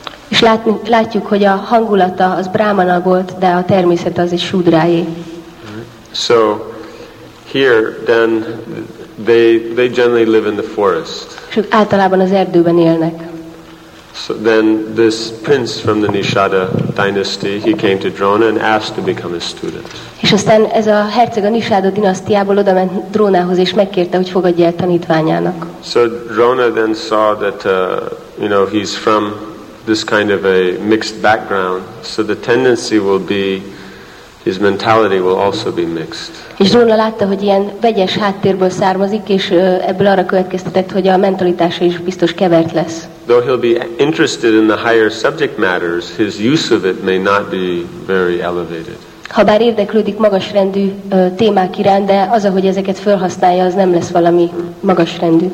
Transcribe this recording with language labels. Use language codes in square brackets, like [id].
[hu] És látjuk, hogy a hangulata az Brahmana volt, de a természet az egy Shudrájé. [en] So here then they generally live in the forest. [hu] És ők általában az erdőben élnek. [en] So then this prince from the Nishada dynasty, he came to Drona and asked to become his student. [hu] És aztán ez a herceg a Nishada dinasztiából odament Drónához és megkérte, hogy fogadja el tanítványának. [en] So Drona then saw that he's from this kind of a mixed background, so the tendency will be his mentality will also be mixed. [hu] És Drona látta, hogy ilyen vegyes háttérből származik, és ebből arra következtetett, hogy a mentalitása is biztos kevert lesz. [en] Though he'll be interested in the higher subject matters, his use of it may not be very elevated. [hu] Ha bár érdeklődik magas rendű témák iránt, de az, ahogy ezeket felhasználja, az nem lesz valami magas rendű.